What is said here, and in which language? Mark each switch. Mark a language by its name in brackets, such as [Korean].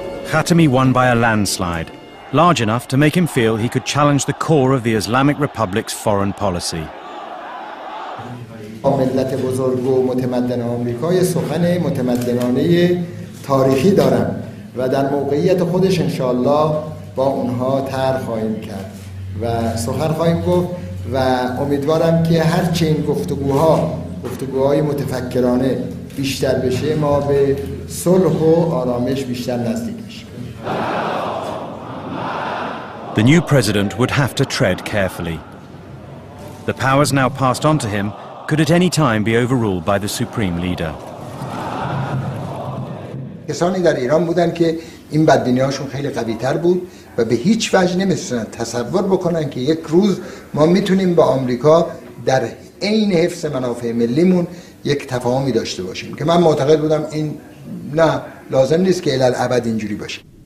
[English] Khatami won by a landslide, large enough to make him feel he could challenge the core of the Islamic Republic's foreign policy. [Persian] ملت بزرگ و متمدن آمریکای سخن متمدنانه تاریخی دارم و در موقعیت خودش انشاءالله با اونها طرح خواهیم کرد و سخن خواهیم گفت و امیدوارم که هرچه این گفتگوهای متفکرانه بیشتر بشه ما به صلح و آرامش بیشتر نزدیک بشیم. [English] The new president would have to tread carefully. The powers now passed on to him could at any time be overruled by the supreme leader. [Persian] کسانی در ایران بودن که این بدبینی‌هاشون خیلی قوی‌تر بود و به هیچ وجه نمی‌تونن تصور بکنن که یک روز ما میتونیم با آمریکا در عین حفظ منافع ملیمون یک تفاهمی داشته باشیم که من معتقد بودم این نه لازم نیست که الی‌الابد اینجوری باشه.